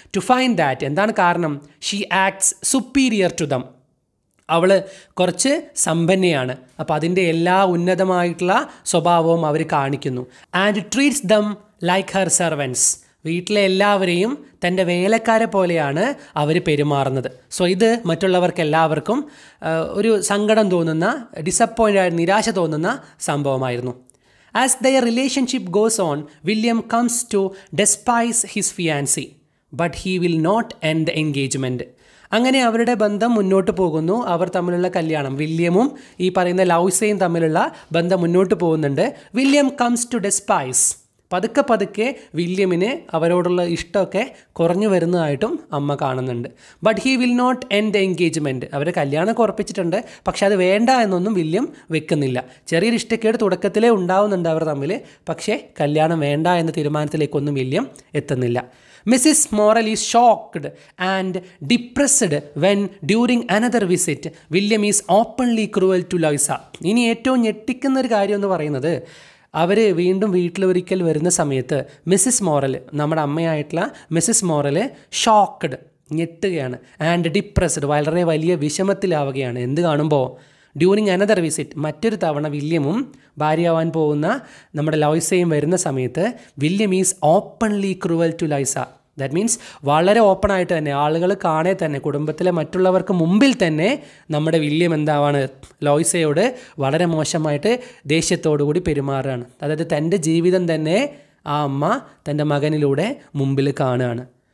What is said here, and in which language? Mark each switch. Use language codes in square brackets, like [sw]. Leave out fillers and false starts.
[en] to find that, [ml] എന്താണ് കാരണം, [en] she acts superior to them, [ml] അവൾ കുറച്ച് സമ്പന്നയാണ്, അപ്പോൾ അതിൻ്റെ എല്ലാ ഉന്നതമായിട്ടുള്ള സ്വഭാവവും അവർ കാണിക്കുന്നു. [en] and treats them like her servants, [ml] വീട്ടിലെ എല്ലാവരെയും തൻ്റെ വേലക്കാരെ പോലെയാണ് അവർ പെരുമാറുന്നത്. സോ ഇത് മറ്റുള്ളവർക്ക് എല്ലാവർക്കും ഒരു സങ്കടം തോന്നുന്ന, ഡിസപ്പോയിൻറ്റഡ്, നിരാശ തോന്നുന്ന സംഭവമായിരുന്നു. [en] As their relationship goes on, William comes to despise his fiancé, but he will not end the engagement. [ml] അങ്ങനെ അവരുടെ ബന്ധം മുന്നോട്ട് പോകുന്നു. അവർ തമ്മിലുള്ള കല്യാണം, വില്യമും ഈ പറയുന്ന ലൗസയും തമ്മിലുള്ള ബന്ധം മുന്നോട്ട് പോകുന്നുണ്ട്. [en] William comes to despise, [ml] പതുക്കെ പതുക്കെ വില്യമിന് അവരോടുള്ള ഇഷ്ടമൊക്കെ കുറഞ്ഞു വരുന്നതായിട്ടും അമ്മ കാണുന്നുണ്ട്. [en] but he will not end the engagement, [ml] അവരെ കല്യാണമൊക്കെ ഉറപ്പിച്ചിട്ടുണ്ട്, പക്ഷേ അത് വേണ്ട എന്നൊന്നും വില്യം വെക്കുന്നില്ല. ചെറിയൊരു ഇഷ്ടക്കേട് തുടക്കത്തിലേ ഉണ്ടാവുന്നുണ്ട് അവർ തമ്മിൽ, പക്ഷേ കല്യാണം വേണ്ട എന്ന തീരുമാനത്തിലേക്കൊന്നും വില്യം എത്തുന്നില്ല. [en] Mrs. Morel is shocked and depressed when during another visit, William is openly cruel to Loisa. [ml] ഇനി ഏറ്റവും ഞെട്ടിക്കുന്ന ഒരു കാര്യം എന്ന് പറയുന്നത് അവർ വീണ്ടും വീട്ടിൽ ഒരിക്കൽ വരുന്ന സമയത്ത് മിസ്സിസ് മോറൽ നമ്മുടെ അമ്മയായിട്ടുള്ള Mrs moral shocked ഞെട്ടുകയാണ് [en] and depressed [ml] വളരെ വലിയ വിഷമത്തിലാവുകയാണ് എന്ത് കാണുമ്പോൾ [en] during another visit [ml] മറ്റൊരു തവണ വില്യമും ഭാര്യയാവാൻ പോകുന്ന നമ്മുടെ ലോയിസയും വരുന്ന സമയത്ത് [en] William is openly cruel to Louisa that means [ml] വളരെ ഓപ്പണായിട്ട് തന്നെ ആളുകൾ കാണേ തന്നെ കുടുംബത്തിലെ മറ്റുള്ളവർക്ക് മുമ്പിൽ തന്നെ നമ്മുടെ വില്യം എന്താവാണ് ലോയിസയോട് വളരെ മോശമായിട്ട് ദേഷ്യത്തോടുകൂടി പെരുമാറുകയാണ് അതായത് തൻ്റെ ജീവിതം തന്നെ ആ അമ്മ തൻ്റെ മകനിലൂടെ മുമ്പിൽ കാണുകയാണ്